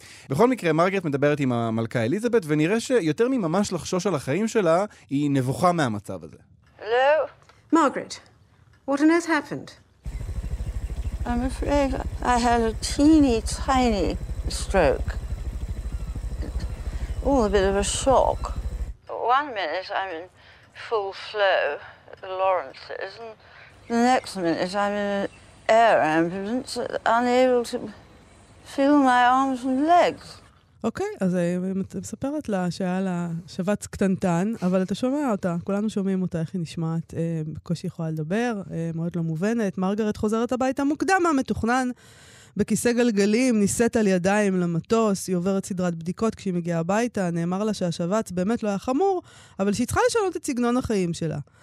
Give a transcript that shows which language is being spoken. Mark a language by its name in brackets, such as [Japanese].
[Hebrew] בכל מקרה, מרגרט מדברת עם המלכה אליזבת, ונראה שיותר מממש לחשוש על החיים שלה, היא נבוכה מהמצב הזה. [English] Hello? Margaret, what on earth happened? I'm afraid I had a teeny tiny stroke. All a bit of a shock. One minute I'm in full flow at the Lawrences, and the next minute I'm in an air ambulance, unable to feel my arms and legs. [Hebrew] אוקיי, אז את מספרת לה שהיה לה שבץ קטנטן, אבל אתה שומע אותה, כולנו שומעים אותה, איך היא נשמעת, בקושי יכולה לדבר, מאוד לא מובנת. מרגרט חוזרת הביתה מוקדם מהמתוכנן, בכיסא גלגלים, ניסית על ידיים למטוס, היא עוברת סדרת בדיקות כשהיא מגיעה הביתה, נאמר לה שהשבץ באמת לא היה חמור, אבל שהיא צריכה לשנות את סגנון החיים שלה.